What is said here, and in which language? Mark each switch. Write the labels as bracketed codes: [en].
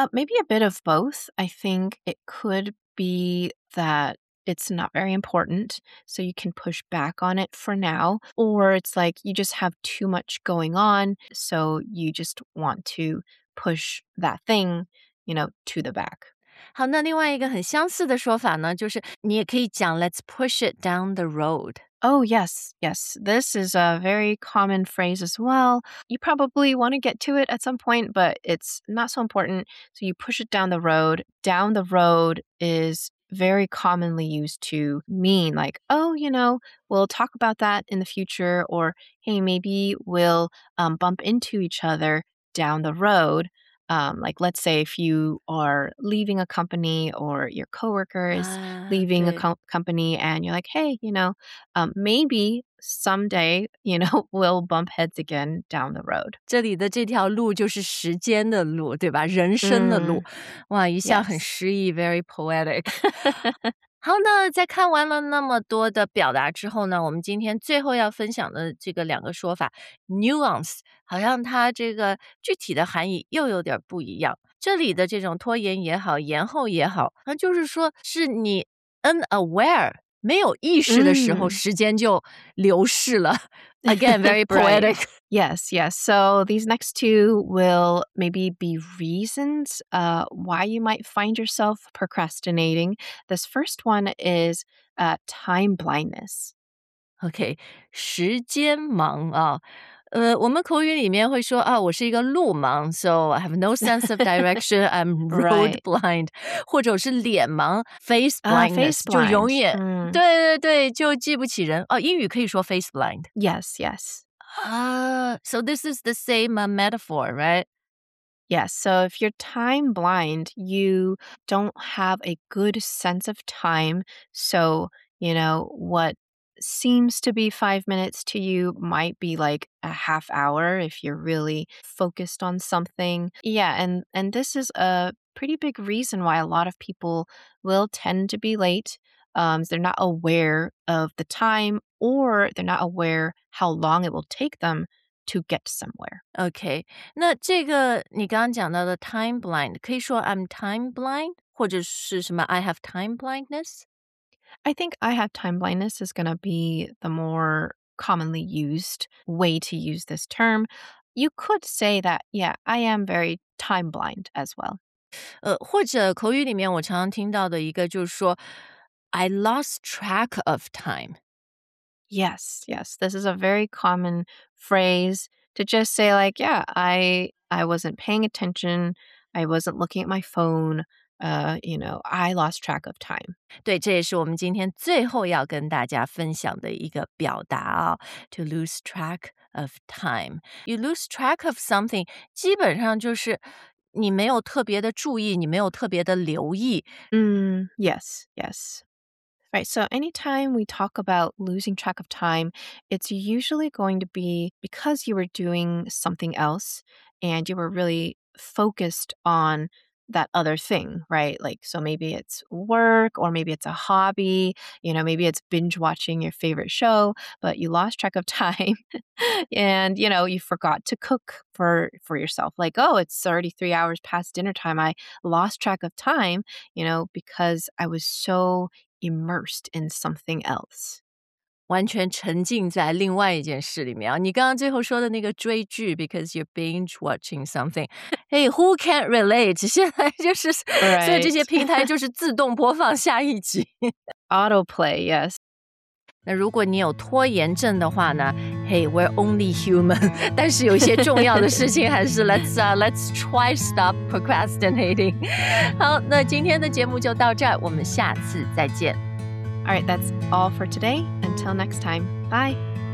[en] Maybe a bit of both. I think it could be that. It's not very important, so you can push back on it for now. Or it's like you just have too much going on, so you just want to push that thing, you know, to the back. [zh] 好，那另外一个很相似的说法呢，就是你也可以讲 [en] let's push it down the road. Oh, yes, yes. This is a very common phrase as well. You probably want to get to it at some point, but it's not so important. So you push it down the road. Down the road is... very commonly used to mean like, oh, you know, we'll talk about that in the future, or hey, maybe we'll bump into each other down the road. Like, let's say if you are leaving a company or your coworker is leaving a company and you're like, hey, you know, maybe someday, you know, we'll bump heads again down the road. [zh] 这里的这条路就是时间的路，对吧？人生的路。哇，一下很诗意， [en] very poetic. [zh] 好，那在看完了那么多的表达之后呢，我们今天最后要分享的这个两个说法 nuance， 好像它这个具体的含义又有点不一样。这里的这种拖延也好，延后也好，那就是说是你 unaware 没有意识的时候，时间就流逝了。 [en] Again, very poetic. Yes, yes. So these next two will maybe be reasons why you might find yourself procrastinating. This first one is time blindness. Okay, [zh] 时间盲啊。我们口语里面会说啊，我是一个路盲 ， [en] so I have no sense of direction. I'm road blind， [zh] 或者是脸盲 [en] ，face blindness， face blind. [zh] 就永远对对对，就记不起人哦。英语可以说 [en] face blind。 Yes, yes. So this is the same metaphor, right? Yes. So if you're time blind, you don't have a good sense of time. So you know what. Seems to be 5 minutes to you might be like a half hour if you're really focused on something. Yeah, and this is a pretty big reason why a lot of people will tend to be late. They're not aware of the time or they're not aware how long it will take them to get somewhere. Okay, [zh] 那这个你刚刚讲到的 [en] time blind, [zh] 可以说 [en] I'm time blind [zh] 或者是什么 [en] I have time blindness? I think I have time blindness is going to be the more commonly used way to use this term. You could say that, yeah, I am very time blind as well. [zh] 或者口语里面我常常听到的一个就是说 [en] I lost track of time. Yes, yes. This is a very common phrase to just say like, yeah, I wasn't paying attention. I wasn't looking at my phone. You know, I lost track of time. [zh] 对，这也是我们今天最后要跟大家分享的一个表达啊、哦、， [en] to lose track of time. You lose track of something, [zh] 基本上就是你没有特别的注意，你没有特别的留意。 [en] Yes, yes. Right. So anytime we talk about losing track of time, it's usually going to be because you were doing something else and you were really focused on. That other thing, right? Like, so maybe it's work or maybe it's a hobby, you know, maybe it's binge watching your favorite show, but you lost track of time and, you know, you forgot to cook for yourself. Like, oh, it's already 3 hours past dinner time. I lost track of time, you know, because I was so immersed in something else. [zh] 完全沉浸在另外一件事里面啊！你刚刚最后说的那个追剧 ， [en] because you're binge watching something. Hey, who can't relate? [zh] 现在就是， [en] right. [zh] 所以这些平台就是自动播放下一集 [en] ，auto play. Yes. [zh] 那如果你有拖延症的话呢 ？ [en] Hey, we're only human. [zh] 但是有些重要的事情还是 [en] let's try stop procrastinating. [zh] 好，那今天的节目就到这儿，我们下次再见。 [en] All right, that's all for today. Until next time, bye.